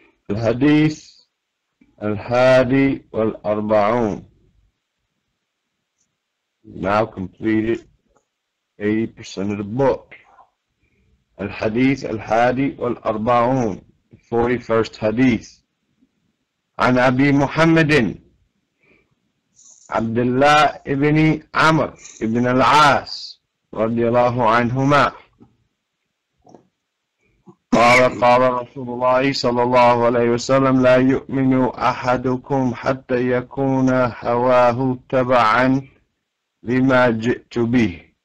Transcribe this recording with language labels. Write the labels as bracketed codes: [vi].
[ar] الحديث الحادي والأربعون. [en] Now completed 80% of the book. [ar] الحديث الحادي والأربعون. [en] 41st [ar] حديث. عن أبي محمد عبد الله بن عمر بن العاص رضي الله عنهما قال قال رسول الله صلى الله عليه وسلم لا يؤمن أحدكم حتى يكون هواه تبعا لما جئت به.